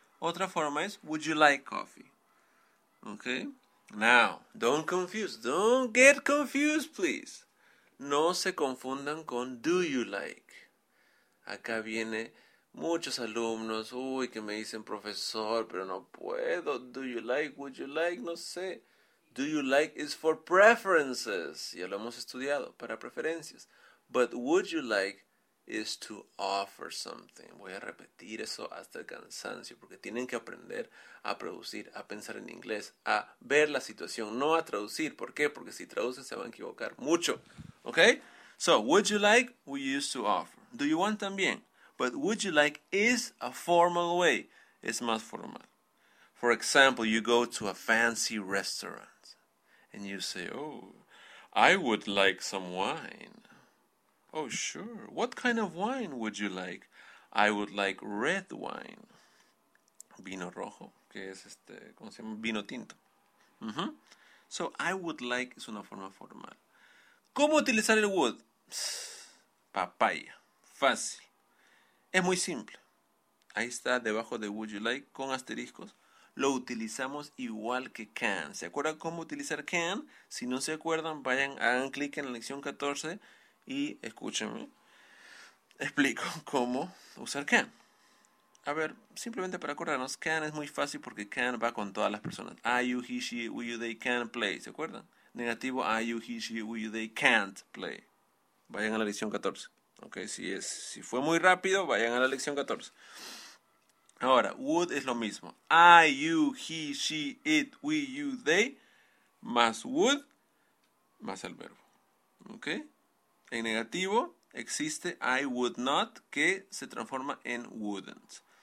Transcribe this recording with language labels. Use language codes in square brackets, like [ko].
[es] Otra forma es, [en] would you like coffee? Okay? Now, don't get confused, please. [es] No se confundan con [en] do you like. [es] Acá viene muchos alumnos, uy, que me dicen profesor, pero no puedo. [en] Do you like, would you like, [es] no sé. [en] Do you like is for preferences. [es] Ya lo hemos estudiado, para preferencias. [en] But would you like is to offer something. [es] Voy a repetir eso hasta el cansancio, porque tienen que aprender a producir, a pensar en inglés, a ver la situación, no a traducir. ¿Por qué? Porque si traducen se van a equivocar mucho. [en] Okay, so would you like, we used to offer. Do you want también? But would you like is a formal way. [es] Es más formal. [en] For example, you go to a fancy restaurant and you say, oh, I would like some wine. Oh, sure. What kind of wine would you like? I would like red wine. [es] Vino rojo, que es ¿cómo se llama? Vino tinto. Mm-hmm. [en] So I would like [es] es una forma formal. ¿Cómo utilizar el would? Papaya. Fácil. Es muy simple. Ahí está, debajo de would you like, con asteriscos. Lo utilizamos igual que can. ¿Se acuerdan cómo utilizar can? Si no se acuerdan, vayan, hagan clic en la lección 14 y escúchenme. Explico cómo usar can. A ver, simplemente para acordarnos, can es muy fácil porque can va con todas las personas. [en] I, you, he, she, we, you, they, can, play. [es] ¿Se acuerdan? Negativo, [en] I, you, he, she, we, you, they can't play. [es] Vayan a la lección 14. Ok, si fue muy rápido, vayan a la lección 14. Ahora, would es lo mismo. [en] I, you, he, she, it, we, you, they, [es] más would, más el verbo. Ok, en negativo existe [en] I would not, [es] que se transforma en wouldn't.